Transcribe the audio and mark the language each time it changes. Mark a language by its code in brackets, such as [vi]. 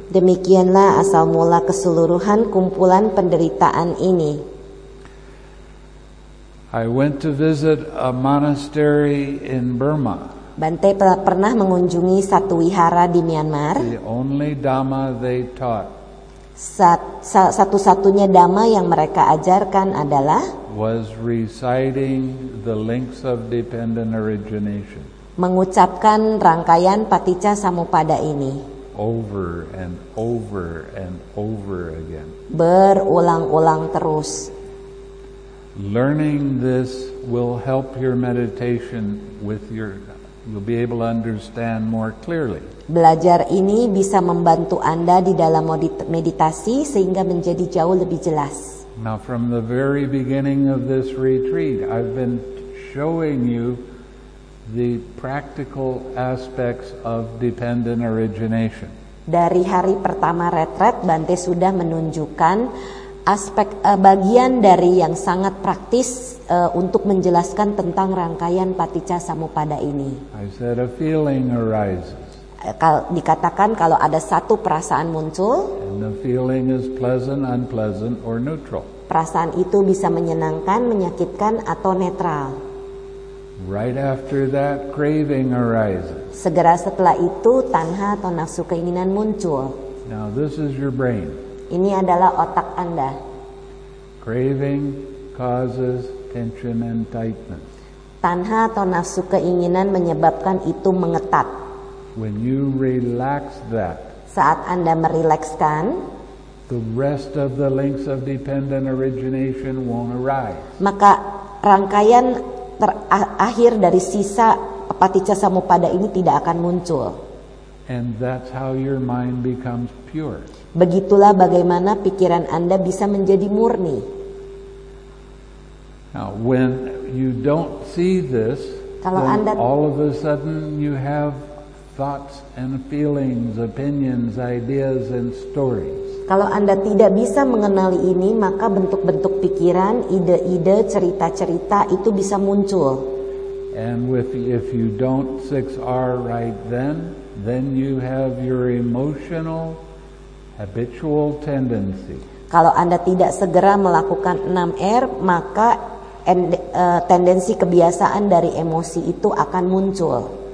[id] Demikianlah asal mula keseluruhan kumpulan penderitaan ini. [en] I went to visit a monastery in Burma. [id] Bante pernah mengunjungi satu wihara di Myanmar. [en] The only dhamma they taught. [id] Satu-satunya dhamma yang mereka ajarkan adalah [en] was reciting the links of dependent origination. [id] Mengucapkan rangkaian paticca samuppada ini. [en] Over and over and over again. [id] Berulang-ulang terus. [en] Learning this will help your meditation with your, you'll be able to understand more clearly. [id] Belajar ini bisa membantu Anda di dalam meditasi sehingga menjadi jauh lebih jelas. [en] Now from the very beginning of this retreat, I've been showing you the practical aspects of dependent origination. [id] Dari hari pertama retret, Bante sudah menunjukkan aspek bagian dari yang sangat praktis untuk menjelaskan tentang rangkaian paticca samuppada ini. [en] I said a feeling arises. [id] Dikatakan kalau ada satu perasaan muncul, [en] and the feeling is pleasant, unpleasant, or neutral. [id] Perasaan itu bisa menyenangkan, menyakitkan, atau netral. [en] Right after that, craving arises. [id] Segera setelah itu, tanha atau nafsu keinginan muncul. [en] Now this is your brain. [id] Ini adalah otak Anda. [en] Craving causes tension and tightness. [id] Tanha atau nafsu keinginan menyebabkan itu mengetat. [en] When you relax that, [id] saat Anda merilekskan, [en] the rest of the links of dependent origination won't arise. [id] Maka rangkaian terakhir dari sisa paticca samuppada ini tidak akan muncul. [en] And that's how your mind becomes pure. [id] Begitulah bagaimana pikiran Anda bisa menjadi murni. [en] Now, when you don't see this, then all of a sudden you have thoughts and feelings, opinions, ideas, and stories. [id] Kalau Anda tidak bisa mengenali ini, maka bentuk-bentuk pikiran, ide-ide, cerita-cerita itu bisa muncul. [en] And if you don't 6R right then you have your emotional habitual tendency. [id] Kalau Anda tidak segera melakukan 6R, maka tendensi kebiasaan dari emosi itu akan muncul.